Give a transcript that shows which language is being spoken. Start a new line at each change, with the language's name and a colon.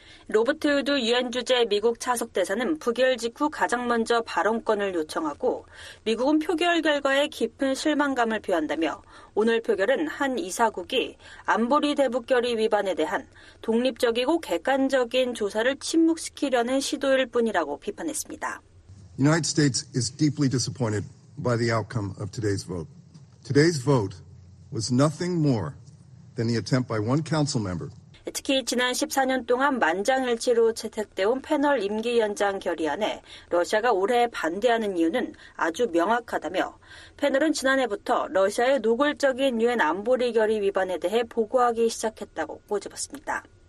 Korean: 로버트 우드 유엔 주재 미국 차석 대사는 부결 직후 가장 먼저 발언권을 요청하고 미국은 표결 결과에 깊은 실망감을 표한다며 오늘 표결은 한 이사국이 안보리 대북 결의 위반에 대한 독립적이고 객관적인 조사를 침묵시키려는 시도일 뿐이라고 비판했습니다.
English: United States is deeply disappointed by the outcome of today's vote. Today's vote was nothing more than the attempt by one council member.
Korean: 특히 지난 14년 동안 만장일치로 채택돼온 패널 임기 연장 결의안에 러시아가 올해 반대하는 이유는 아주 명확하다며 패널은 지난해부터 러시아의 노골적인 유엔 안보리 결의 위반에 대해 보고하기 시작했다고 꼬집었습니다.